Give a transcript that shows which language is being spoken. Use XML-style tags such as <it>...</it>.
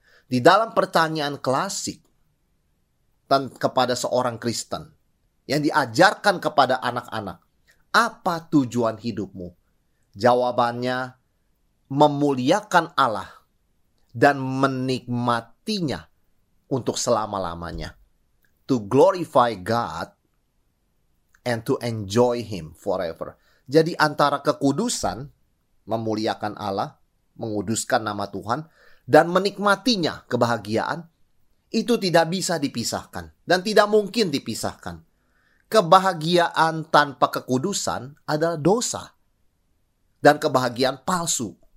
<id>Di dalam pertanyaan klasik kepada seorang Kristen yang diajarkan kepada anak-anak, apa tujuan hidupmu? Jawabannya, memuliakan Allah dan menikmatinya untuk selama-lamanya.</id> <en>To glorify God and to enjoy Him forever.</en> <id>Jadi antara kekudusan, memuliakan Allah, menguduskan nama Tuhan, dan menikmatinya kebahagiaan, itu tidak bisa dipisahkan dan tidak mungkin dipisahkan. Kebahagiaan tanpa kekudusan adalah dosa dan kebahagiaan palsu.</id>